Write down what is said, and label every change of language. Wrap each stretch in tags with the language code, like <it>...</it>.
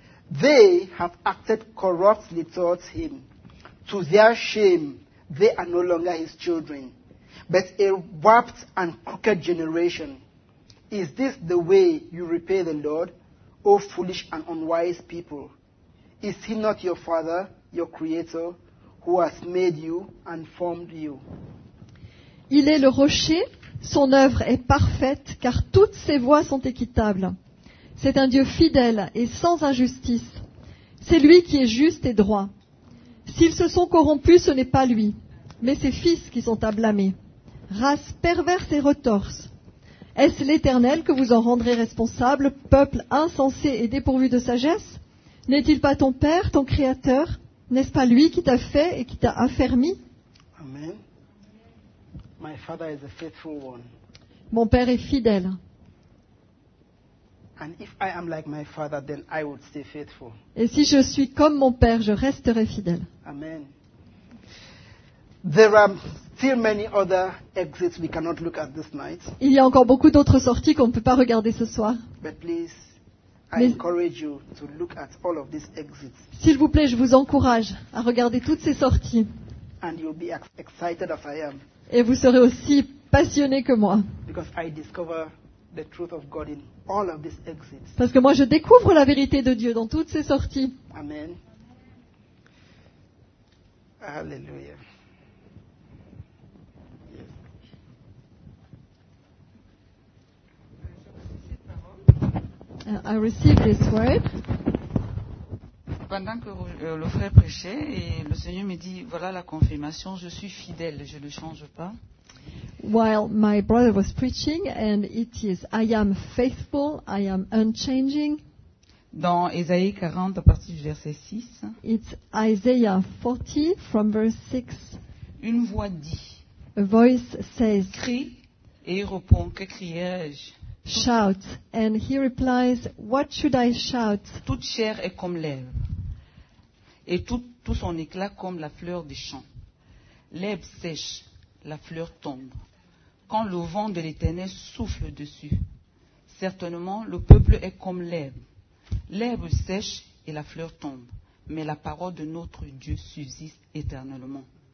<en>They have acted corruptly towards him. To their shame, they are no longer his children, but a warped and crooked generation. Is this the way you repay the Lord, O foolish and unwise people? Is he not your father, your creator, who has made you and formed you?</en> <fr>Il est le rocher. Son œuvre est parfaite, car toutes ses voies sont équitables. C'est un Dieu fidèle et sans injustice. C'est lui qui est juste et droit. S'ils se sont corrompus, ce n'est pas lui, mais ses fils qui sont à blâmer. Race perverse et retorse. Est-ce l'Éternel que vous en rendrez responsable, peuple insensé et dépourvu de sagesse? N'est-il pas ton Père, ton Créateur? N'est-ce pas lui qui t'a fait et qui t'a affermi?</fr> <en>Amen. My father is a faithful one.</en> <fr>Mon père est fidèle.</fr> <en>And if I am like my father, then I would stay faithful.</en> <fr>Et si je suis comme mon père, je resterai fidèle.</fr> <en>Amen. There are still many other exits we cannot look at this night.</en> <fr>Il y a encore beaucoup d'autres sorties qu'on ne peut pas regarder ce soir.</fr> <en>But please, I encourage you to look at all of these exits.</en> <fr>S'il vous plaît, je vous encourage à regarder toutes ces sorties.</fr> <en>And you'll be as excited as I am.</en> <fr>Et vous serez aussi passionné que moi.</fr> <en>Because I discover the truth of God in all of these exits.</en> <fr>Parce que moi, je découvre la vérité de Dieu dans toutes ces sorties.</fr> <en>Amen. Hallelujah. I receive this word.</en> <fr>Pendant que le frère prêchait, et le Seigneur me dit, voilà la confirmation, je suis fidèle, je ne change pas.</fr> <en>While my brother was preaching, and it is, I am faithful, I am unchanging.</en> <fr>Dans Ésaïe 40, à partir du verset 6.</fr> <en>It's Isaiah 40, from verse 6.</en> <fr>Une voix dit.</fr> <en>A voice says.</en> <fr>Crie, et il répond, que criais-je?</fr> <en>Shout, and he replies, what should I shout?</en> <fr>Toute chair est comme l'herbe. Et tout son éclat comme la fleur des champs. L'herbe sèche, la fleur tombe. Quand le vent de l'Éternel souffle dessus, certainement le peuple est comme l'herbe. L'herbe sèche et la fleur tombe, mais la parole de notre Dieu subsiste éternellement.</fr>